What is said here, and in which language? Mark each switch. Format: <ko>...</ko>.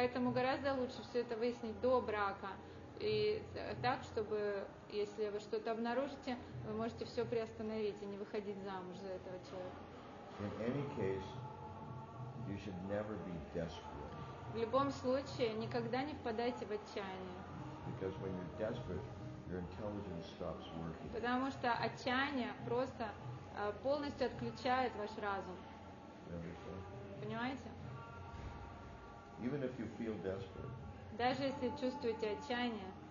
<ru>Поэтому гораздо лучше все это выяснить до брака. И так, чтобы, если вы что-то обнаружите, вы можете все приостановить и не выходить замуж за этого человека.</ru> <en>In any case, you should never be desperate.</en> <ru>В любом случае, никогда не впадайте в отчаяние.</ru> <en>Because when you're desperate, your intelligence stops working.</en> <ru>Потому что отчаяние просто полностью отключает ваш разум. Понимаете?</ru> <en>Even if you feel desperate,</en> <ru>даже если чувствуете отчаяние,</ru>